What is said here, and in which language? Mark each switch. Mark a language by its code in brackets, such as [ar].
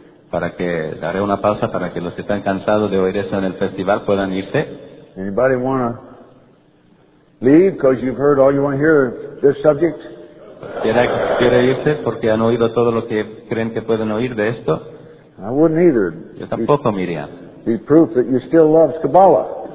[es] Para que daré una pausa para que los que están cansados de oír eso en el festival puedan irse. [en] Anybody wanna leave because you've heard all you want to hear this subject? [es] ¿Quiere irse porque han oído todo lo que creen que pueden oír de esto? [en] I wouldn't either. [es] Yo tampoco, Miriam. [en] Be proof that you still love Kabbalah.